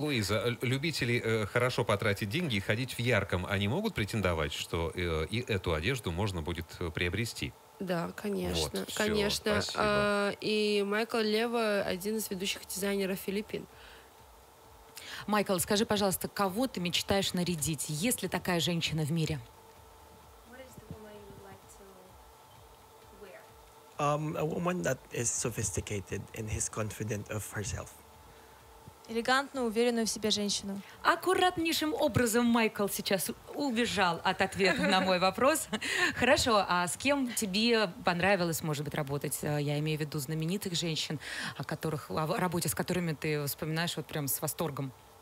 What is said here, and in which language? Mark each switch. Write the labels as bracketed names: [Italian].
[Russian] Луиза, любители хорошо потратить деньги и ходить в ярком, они могут претендовать, что и эту одежду можно будет приобрести? Да, конечно. Вот, конечно. И Майкл Лево — один из ведущих дизайнеров Филиппин. Майкл, скажи, пожалуйста, кого ты мечтаешь нарядить? Есть ли такая женщина в мире? [English] A woman that is sophisticated and is confident of herself. [Russian] Элегантную, уверенную в себе женщину. Аккуратнейшим образом Майкл сейчас убежал от ответа на мой вопрос. Хорошо, а с кем тебе понравилось, может быть, работать? Я имею в виду знаменитых женщин, о работе с которыми ты вспоминаешь вот прям с восторгом.